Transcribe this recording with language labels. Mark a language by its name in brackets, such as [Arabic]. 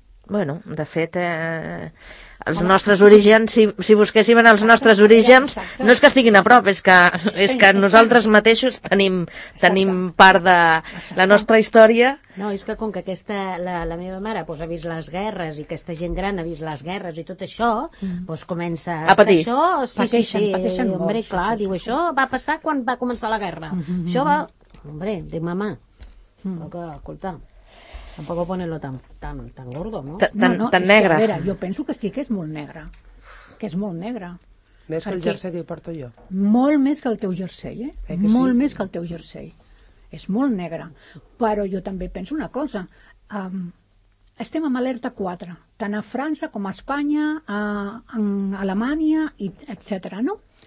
[Catalan] Bueno, de fet, els nostres orígens, si busquéssim en els nostres orígens, no és que estiguin a prop, és que nosaltres mateixos tenim part de la nostra història. No, és que com que aquesta, la meva mare pues, ha vist les guerres i aquesta gent gran ha vist les guerres i tot això, pues, comença... A patir. Això, pateixen. Hombre, clar, diu, això va passar quan va començar la guerra. Això va... Hombre, de mamà. Escolta... [Spanish] Tampoco ponerlo tan gordo, ¿no? [Catalan] Tan negre. Jo penso que sí que és molt negre. Que és molt negre. Més que el jersei que ho porto jo. Molt més que el teu jersei, eh? Molt més que el teu jersei. És molt negre. Però jo també penso una cosa. Estem amb alerta 4. Tant a França com a Espanya, a Alemanya, etcètera, no?